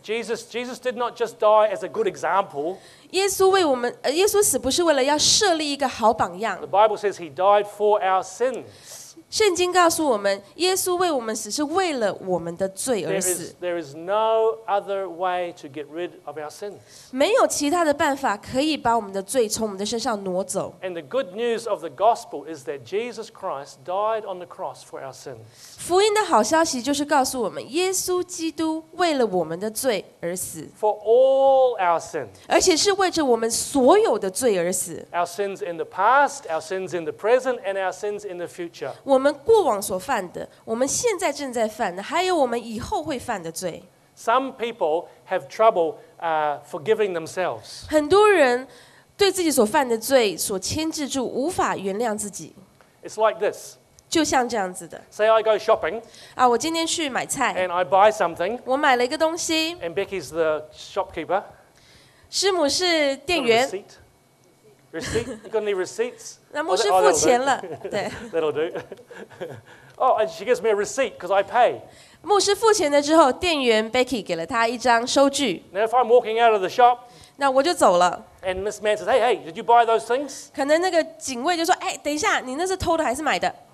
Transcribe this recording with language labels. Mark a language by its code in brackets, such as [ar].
[en] Jesus did not just die as a good example. [zh] 耶稣死不是为了要设立一个好榜样。 [en] The Bible says he died for our sins. [zh] 圣经告诉我们，耶稣为我们死是为了我们的罪而死。 [en] There is no other way to get rid of our sins. [zh] 没有其他的办法可以把我们的罪从我们的身上挪走。 [en] And the good news of the gospel is that Jesus Christ died on the cross for our sins. [zh] 福音的好消息就是告诉我们，耶稣基督为了我们的罪而死。 [en] For all our sins. [zh] 而且是为着我们所有的罪而死。 [en] Our sins in the past, our sins in the present, and our sins in the future. [zh] 我们过往所犯的，我们现在正在犯的，还有我们以后会犯的罪。 [en] Some people have trouble forgiving themselves. [zh] 很多人对自己所犯的罪所牵制住，无法原谅自己。 [en] It's like this. [zh] 就像这样子的。 [en] Say I go shopping. [zh] 啊，我今天去买菜。 [en] And I buy something. [zh] 我买了一个东西。 [en] And Becky's the shopkeeper. [zh] 师母是店员。 [en] Receipt? You got any receipts? [zh] 那牧师付钱了，对。 [en] That'll do. Oh, and she gives me a receipt because I pay. [zh] 牧师付钱了之后，店员 Becky 给了他一张收据。 [en] Now if I'm walking out of the shop, [zh] 那我就走了。 [en] And Miss Man says, hey, did you buy those things? [zh] 可能那个警卫就说，哎，等一下，你那是偷的还是买的？